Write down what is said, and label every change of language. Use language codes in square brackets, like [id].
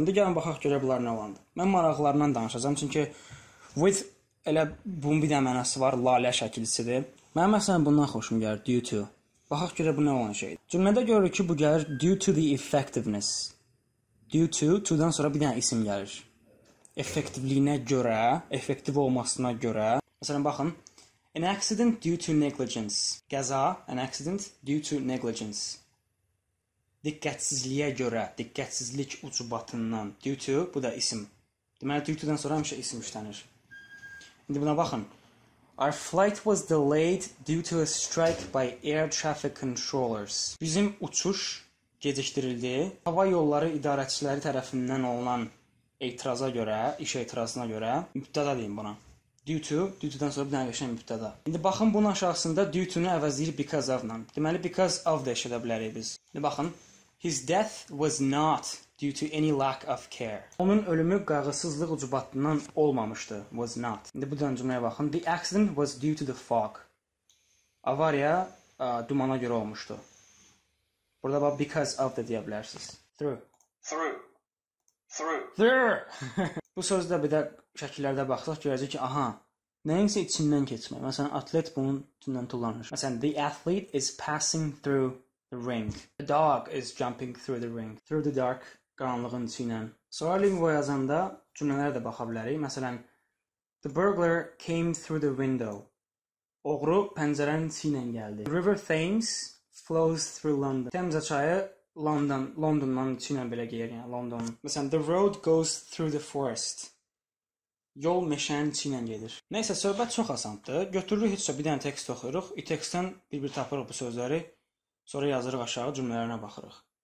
[az] İndi gəlin baxaq, görə bunlar nə olandı. Mən maraqlarından danışacağım, çünki with elə bunun bir dənə mənası var, lalə şəkilisidir. Mənim məsələn bundan xoşum gəlir, due to. Baxaq görə bu nə olan şeydir. Cümlədə görürük ki, bu gəlir due to the effectiveness. Due to, to-dan sonra bir dənə isim gəlir. Effektivliyinə görə, effektiv olmasına görə. Məsələn, baxın. [en] An accident due to negligence. [az] Qəza, [en] an accident due to negligence. [az] Diqqətsizliyə görə, diqqətsizlik ucubatından. Due to, bu da isim. Deməli, due to-dan sonra həmişə isim işlənir. İndi buna baxın. [en] Our flight was delayed due to a strike by air traffic controllers. [az] Bizim uçuş gecikdirildi. Hava yolları idarəçiləri tərəfindən olunan etiraza görə, iş etirazına görə, müddətə deyim buna. due to, due to-dan sonra bir dənə qəşəng mübtəda. İndi baxın, bunun aşağısında due to-nu əvəzləyir because of-la. Deməli because of da eşidə bilərik biz. İndi baxın, [en] his death was not due to any lack of care. [az] Onun ölümü qayğısızlıq ucubatından olmamışdı. [en] Was not. [az] İndi bu dənə cümləyə baxın. [en] The accident was due to the fog. [az] Avariya dumana görə olmuşdu. Burada bax because of da deyə bilərsiniz. [en] Through. Through. Through. Through. [az] Bu sözdə bir də şəkillərdə baxsaq görəcək ki, aha, nəyinsə içindən keçmək. Məsələn, atlet bunun içindən tullanır. [en] Məsələn, the athlete is passing through the ring. The dog is jumping through the ring. Through the dark, [az] qaranlığın içindən. Sonra lingvo yazanda cümlələrə də baxa bilərik. Məsələn, [en] the burglar came through the window. [az] Oğru pəncərənin içindən gəldi. [en] The river Thames flows through London. [az] Thames çayı London, Londondan içindən belə geyir, yəni London. [en] Məsələn, the road goes through the forest. [az] Yol meşənin içindən gedir. Nəsə, söhbət çox asandır. Götürürük heçsə bir dənə tekst oxuyuruq. İtextdən bir-bir tapırıq bu sözləri. Sonra yazırıq aşağı cümlələrinə baxırıq.